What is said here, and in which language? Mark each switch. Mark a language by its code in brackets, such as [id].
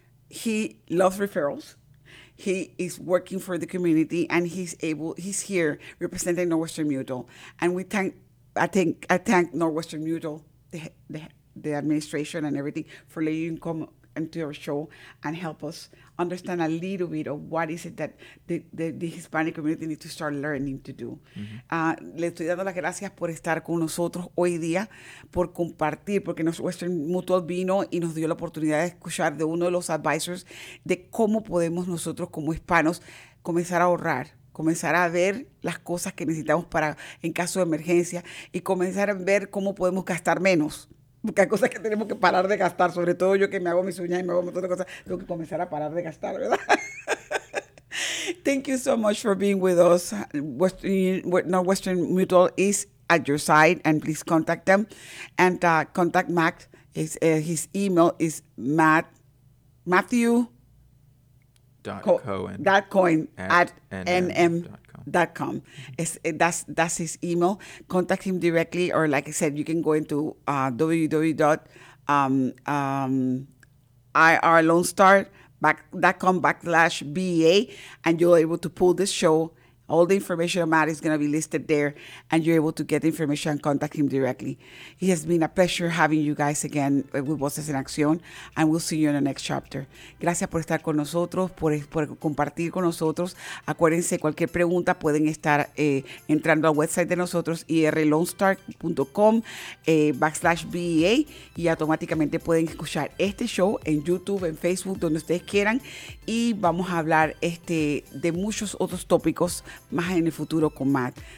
[en] He loves referrals. He is working for the community, and he's here representing Northwestern Mutual. And I thank Northwestern Mutual, the administration and everything, for letting him come into our show and help us understand a little bit of what is it that the Hispanic community needs to start learning to do. Mm-hmm. [es] Le estoy dando las gracias por estar con nosotros hoy día, por compartir, porque Northwestern Mutual vino y nos dio la oportunidad de escuchar de uno de los advisors de cómo podemos nosotros como hispanos comenzar a ahorrar, comenzar a ver las cosas que necesitamos para en caso de emergencia y comenzar a ver cómo podemos gastar menos. Porque hay cosas que tenemos que parar de gastar, sobre todo yo que me hago mis uñas y me hago un montón de cosas, tengo que comenzar a parar de gastar, ¿verdad? [en] Thank you so much for being with us. Northwestern Mutual is at your side, and please contact them. And contact Matt. His email is matthew.cohen@nm.com. That's his email. Contact him directly, or like I said, you can go into www.irlonestar.com/BA, and you're able to pull this show. All the information on Matt is going to be listed there, and you're able to get information and contact him directly. It has been a pleasure having you guys again with Voces en Acción, and we'll see you in the next chapter. [es] Gracias por estar con nosotros, por compartir con nosotros. Acuérdense, cualquier pregunta pueden estar entrando al website de nosotros, irlonestar.com/BEA, y automáticamente pueden escuchar este show en YouTube, en Facebook, donde ustedes quieran, y vamos a hablar de muchos otros tópicos más en el futuro con Matt.